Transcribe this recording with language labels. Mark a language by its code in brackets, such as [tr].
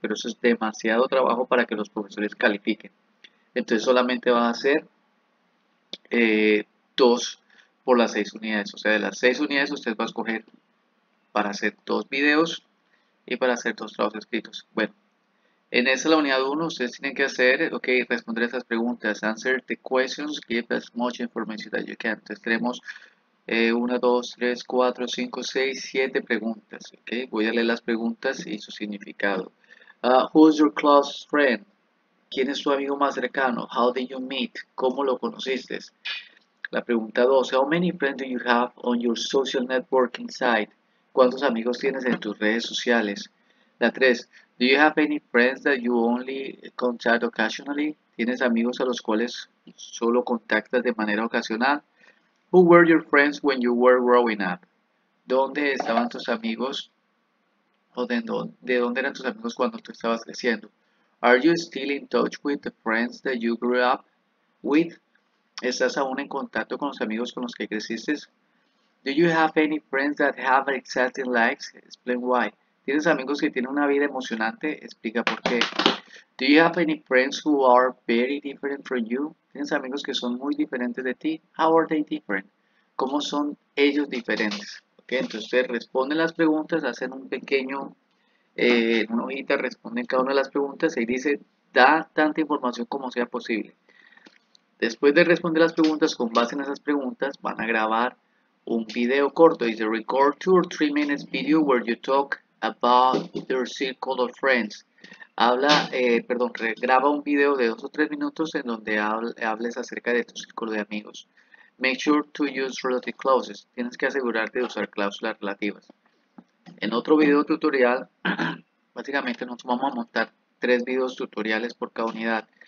[es] Pero eso es demasiado trabajo para que los profesores califiquen. Entonces solamente van a ser 2 por las 6 unidades. O sea, de las 6 unidades usted va a escoger para hacer 2 videos y para hacer 2 trabajos escritos. Bueno, en esa la unidad 1 ustedes tienen que hacer, ok, responder esas preguntas. [en] Answer the questions, give as much information as you can. [es] Entonces tenemos 1, 2, 3, 4, 5, 6, 7 preguntas. Ok, voy a leer las preguntas y su significado. [en] Who's your close friend? [es] ¿Quién es tu amigo más cercano? [en] How did you meet? [es] ¿Cómo lo conociste? La pregunta 2. [en] How many friends do you have on your social networking site? [es] ¿Cuántos amigos tienes en tus redes sociales? La 3. [en] Do you have any friends that you only contact occasionally? [es] ¿Tienes amigos a los cuales solo contactas de manera ocasional? [en] Who were your friends when you were growing up? [es] ¿Dónde estaban tus amigos? ¿O de dónde eran tus amigos cuando tú estabas creciendo? [en] Are you still in touch with the friends that you grew up with? [es] ¿Estás aún en contacto con los amigos con los que creciste? [en] Do you have any friends that have exciting lives? Explain why. [es] ¿Tienes amigos que tienen una vida emocionante? Explica por qué. [en] Do you have any friends who are very different from you? [es] ¿Tienes amigos que son muy diferentes de ti? [en] How are they different? [es] ¿Cómo son ellos diferentes? Okay, entonces ustedes responden las preguntas, hacen un pequeño en una hojita responden cada una de las preguntas y dice, da tanta información como sea posible. Después de responder las preguntas, con base en esas preguntas, van a grabar un video corto. Dice, [en] record 2 or 3 minutes video where you talk about your circle of friends. [es] Habla, perdón, graba un video de 2 o 3 minutos en donde hables acerca de tu círculo de amigos. [en] Make sure to use relative clauses. [es] Tienes que asegurarte de usar cláusulas relativas. En otro video tutorial, básicamente nos vamos a montar 3 videos tutoriales por cada unidad.